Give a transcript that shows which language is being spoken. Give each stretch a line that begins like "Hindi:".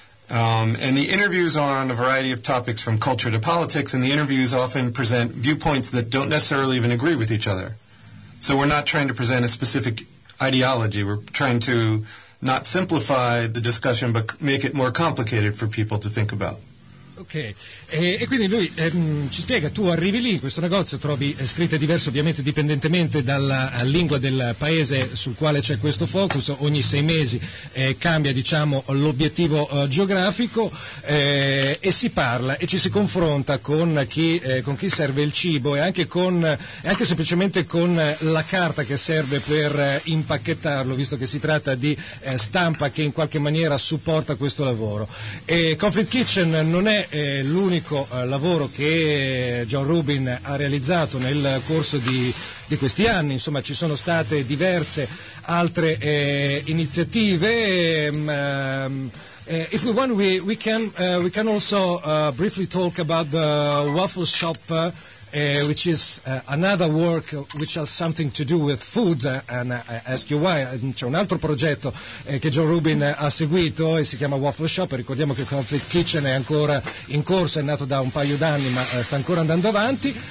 English: And the interviews are on a variety of topics, from culture to politics, and the interviews often present viewpoints that don't necessarily even agree with each other. So we're not trying to present a specific ideology. We're trying to not simplify the discussion, but make it more complicated for people to think about.
Italian: Ok, e quindi lui ci spiega, tu arrivi lì in questo negozio, trovi scritte diverse ovviamente dipendentemente dalla lingua del paese sul quale c'è questo focus, ogni sei mesi cambia diciamo l'obiettivo geografico e si parla e ci si confronta con chi serve il cibo e anche anche semplicemente con la carta che serve per impacchettarlo, visto che si tratta di stampa che in qualche maniera supporta questo lavoro. E Comfit Kitchen non è l'unico lavoro che John Rubin ha realizzato nel corso di questi anni, insomma ci sono state diverse altre iniziative.
English: If we want we can also briefly talk about the waffle shop, which is another work which has something to do with food, and I ask you why.
Italian: C'è un altro progetto che John Rubin ha seguito e si chiama Waffle Shop. Ricordiamo che Conflict Kitchen è ancora in corso, è nato da un paio d'anni ma sta ancora andando avanti.